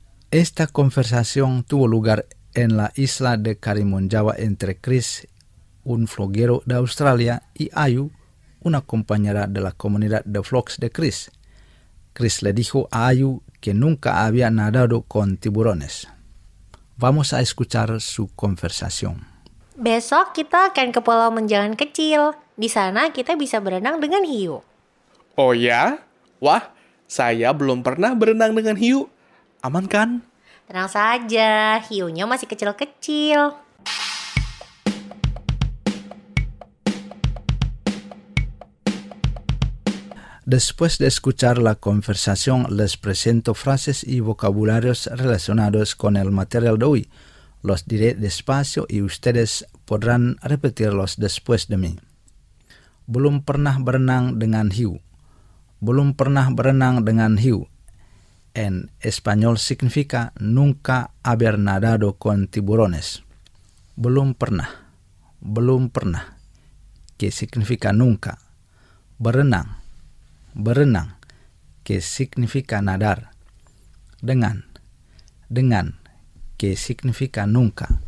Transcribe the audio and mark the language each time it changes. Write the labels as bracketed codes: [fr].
[es] Esta conversación tuvo lugar en la isla de Karimun Jawa entre Chris, un floguero de Australia, y Ayu, una compañera de la comunidad de flogs de Chris. Chris le dijo a Ayu que nunca había nadado con tiburones. Vamos a escuchar su conversación. [id] Besok kita akan ke Pulau Menjangan Kecil. Di sana kita bisa berenang dengan hiu. Oh ya? Wah, saya belum pernah berenang dengan hiu. Aman kan? Tenang saja, hiunya masih kecil-kecil. [es] Después de escuchar la conversación, les presento frases y vocabularios relacionados con el material de hoy. Los diré despacio y ustedes podrán repetirlos después de mí. [id] Belum pernah berenang dengan hiu. Belum pernah berenang dengan hiu. [es] En español significa nunca haber nadado con tiburones. [id] Belum pernah. Belum pernah. [es] Que significa nunca. [id] Berenang. [es] Berenang, que significa nadar. Dengan, dengan, que significa nunca.